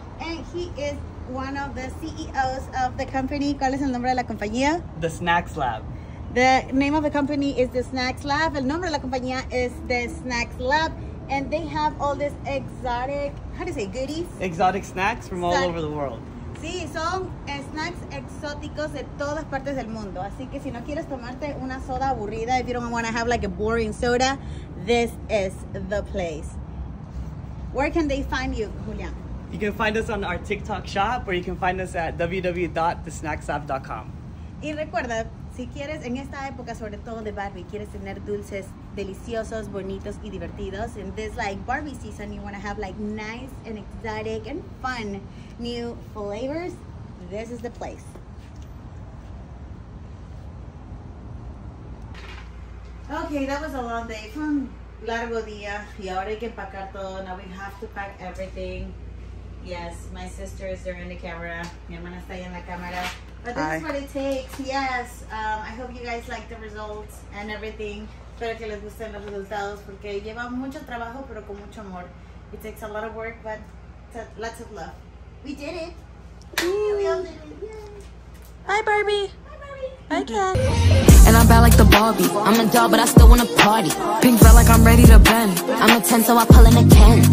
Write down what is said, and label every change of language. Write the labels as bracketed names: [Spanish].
[English] And he is one of the CEOs of the company. [Spanish] ¿Cuál es el nombre de la compañía? [English] The Snacks Lab. The name of the company is The Snacks Lab. [Spanish] El nombre de la compañía [English] is The Snacks Lab. And they have all these exotic, how do you say, goodies? Exotic snacks from all over the world. [Spanish] Sí, son snacks exóticos de todas partes del mundo. Así que si no quieres tomarte una soda aburrida, [English] if you don't want to have like a boring soda, this is the place. Where can they find you, Julian? You can find us on our TikTok shop, or you can find us at www.thesnacksapp.com. [Spanish] Y recuerda, si quieres, en esta época, sobre todo de Barbie, quieres tener dulces deliciosos, bonitos y divertidos, [English] in this like Barbie season, you want to have like nice and exotic and fun new flavors, this is the place. Okay, that was a long day. [Spanish] Fue un largo día. Y ahora hay que empacar todo. [English] Now we have to pack everything. Yes, my sister is there in the camera. [Spanish] Mi hermana está ahí en la cámara. [English] But this is what it takes. Yes, I hope you guys like the results and everything. [Spanish] Espero que les gusten los resultados porque lleva mucho trabajo, pero con mucho amor. [English] It takes a lot of work, but lots of love. We did it. Yeah, we all did it. Yay. Bye, Barbie. Okay. And I'm bad like the Barbie. I'm a doll, but I still wanna party. Pink felt like I'm ready to bend. I'm a 10, so I pull in a Ken.